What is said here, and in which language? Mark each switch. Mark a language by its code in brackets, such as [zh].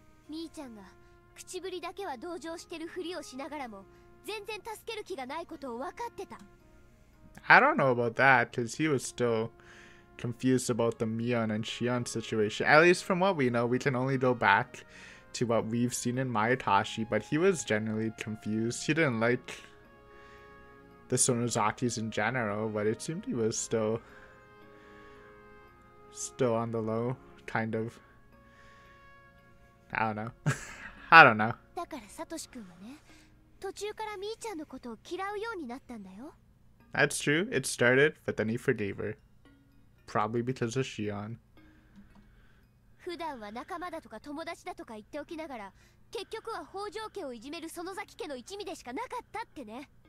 [ja] Mii-chan ga 口ぶりだけは同情してるふりをしながらも全然助ける気がないことを分かってた。 [en] I don't know about that, because he was still confused about the Mian and Shion situation. At least from what we know, we can only go back to what we've seen in Mayatashi, but he was generally confused. He didn't like the Sonozakis in general, but it seemed he was still on the low, kind of. I don't know. [ja] だからサトシ君はね、途中からミーちゃんのことを嫌うようになったんだよ。 [en] That's true. It started, but then he forgave her. Probably because of Shion. [ja] 普段は仲間だとか友達だとか言っておきながら、結局は北条家をいじめる園崎家の一味でしかなかったってね。